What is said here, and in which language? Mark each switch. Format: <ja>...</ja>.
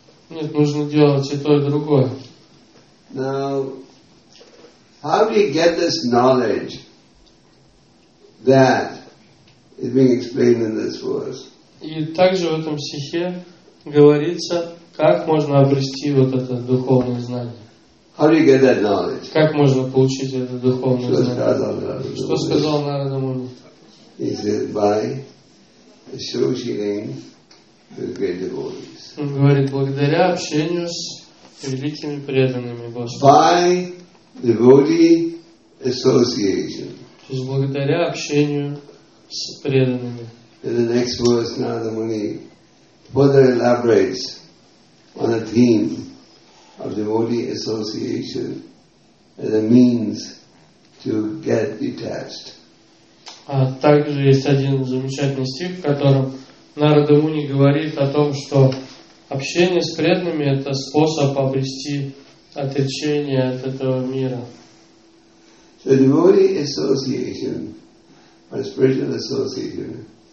<ru>Нет, нужно делать и то, и другое.</ru> <en>How do you get this knowledge that is being explained in this verse?</en> <ru>И также в этом стихе говорится, как можно обрести вот это духовное знание.</ru> <en>How do you get that knowledge?</en> <ru>Как можно получить это духовное знание? Что сказал Нарада Муни?</ru> <en>He said, by associating with great devotees.</en> <ru>Он говорит, благодаря общению с великими преданными Господа.</ru> <en>By devotee association.</en> <ru>То есть благодаря общению с преданными.</ru> <en>In the next verse, Nanda Muni further elaborates on the theme of devotee association as a means to get detached.</en> <ru>А также есть один замечательный стих, в котором Нарада Муни говорит о том, что общение с преданными – это способ обрести отречение от этого мира.</ru> <en>So devotee association or spiritual association</en>